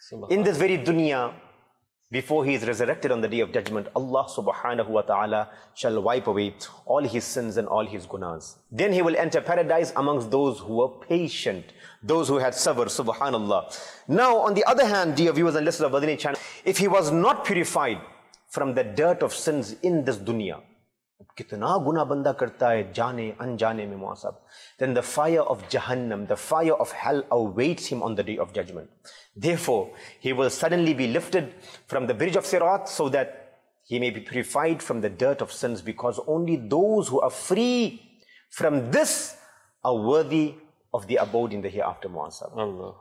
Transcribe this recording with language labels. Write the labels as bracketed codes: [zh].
[en] In this very dunya, before he is resurrected on the day of judgment, Allah subhanahu wa ta'ala shall wipe away all his sins and all his gunas. Then he will enter paradise amongst those who were patient, those who had sabr, subhanallah. Now, on the other hand, dear viewers and listeners of Madani channel, if he was not purified from the dirt of sins in this dunya, [ur] کتنا گناہ بندہ کرتا ہے جانے انجانے میں مواصب. [en] Then the fire of Jahannam, the fire of hell awaits him on the day of judgment. Therefore, he will suddenly be lifted from the bridge of Sirat so that he may be purified from the dirt of sins, because only those who are free from this are worthy of the abode in the hereafter, mu'asab.